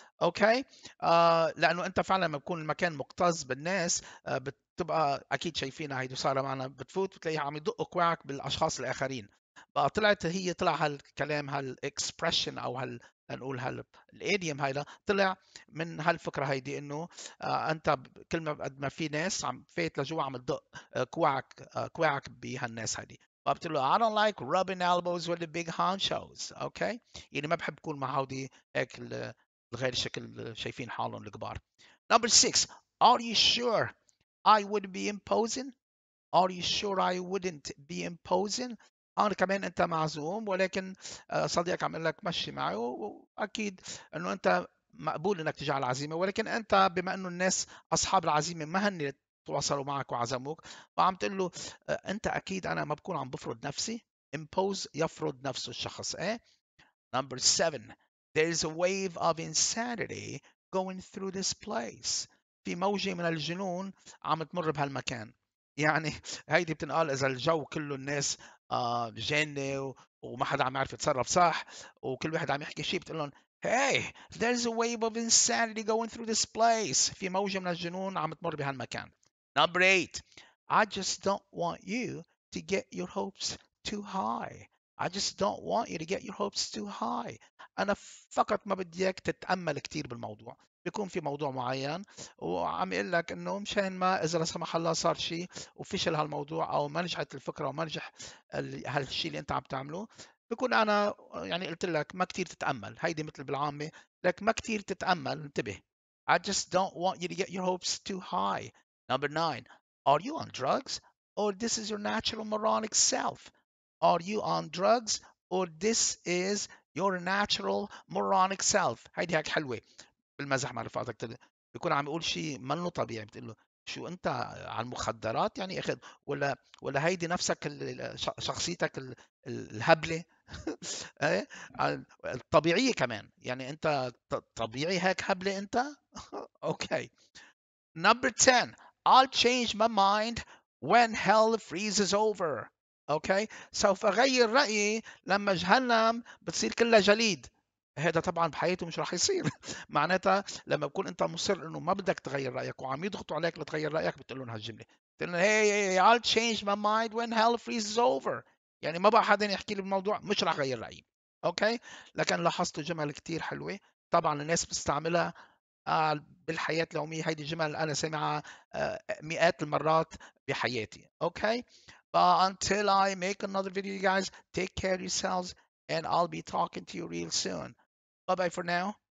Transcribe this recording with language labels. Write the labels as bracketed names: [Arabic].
[Arabic] اوكي، لانه انت فعلا لما بكون المكان مكتظ بالناس بتبقى اكيد شايفينها هيدي صار معنا، بتفوت بتلاقيها عم يدق كواعك بالاشخاص الاخرين. بقى طلعت هي طلع هالكلام هالاكسبرشن او هنقول هالايديوم هيدا طلع من هالفكره هيدي، انه انت كل ما قد ما في ناس عم فايت لجوا عم تدق كواعك بهالناس هيدي. وبتقول له [English] I don't like rubbing elbows with the big honchos. Okay. [Arabic] يعني ما بحب كون مع هودي هيك الغير شكل شايفين حالهم الكبار. [English] Number 6: Are you sure I would be imposing? Are you sure I wouldn't be imposing? [Arabic] أنا كمان أنت معزوم، ولكن صديقك عم يقول لك مشي معي، وأكيد أنه أنت مقبول أنك تجي على العزيمة، ولكن أنت بما أنه الناس أصحاب العزيمة ما هني تواصلوا معك وعزموك، فعم تقول له انت اكيد انا ما بكون عم بفرض نفسي. impose يفرض نفسه الشخص. [English] Number 7: There is a wave of insanity going through this place. [Arabic] في موجة من الجنون عم تمر بهالمكان. يعني هيدي بتنقال اذا الجو كله الناس جنه وما حدا عم يعرف يتصرف صح، وكل واحد عم يحكي شيء، بتقول لهم [English] hey, there's a wave of insanity going through this place. [Arabic] في موجه من الجنون عم تمر بهالمكان. [English] Number 8. I just don't want you to get your hopes too high. I just don't want you to get your hopes too high. [Arabic] أنا فقط ما بدي إياك تتأمل كتير بالموضوع. بيكون في موضوع معين وعم يقول لك إنه مشان ما إذا لا سمح الله صار شيء وفشل هالموضوع أو ما نجحت الفكرة وما نجح هالشيء اللي أنت عم تعمله، بيكون أنا يعني قلت لك ما كتير تتأمل. هيدي مثل بالعامة، لك ما كتير تتأمل، انتبه. [English] I just don't want you to get your hopes too high. Number 9. Are you on drugs or this is your natural moronic self? Are you on drugs or this is your natural moronic self? [Arabic] هيدي هيك حلوة بالمزح مع رفقاتك، بيكون عم يقول شيء ما له طبيعي، بتقول له شو انت على المخدرات يعني اخذ، ولا هيدي نفسك شخصيتك الهبلة الطبيعية كمان، يعني انت طبيعي هيك هبلة انت. اوكي. [English] Number 10. I'll change my mind when hell freezes over. Okay. [Arabic] سوف أغير رأيي لما جهنم بتصير كلها جليد. هذا طبعا بحياته مش راح يصير. معناتها لما بكون انت مصر انه ما بدك تغير رأيك وعم يضغطوا عليك لتغير رأيك، بتقول لهم هالجملة. بتقول لهم [English] hey, I'll change my mind when hell freezes over. [Arabic] يعني ما بقى حدا يحكي لي بالموضوع، مش راح أغير رأيي. [English] Okay. [Arabic] لكن لاحظت جمل كتير حلوة. طبعا الناس بتستعملها بالحياة اليومية، هيدي جمل أنا سمعها مئات المرات بحياتي. [English] Okay. But until I make another video, you guys, take care of yourselves, and I'll be talking to you real soon. Bye-bye for now.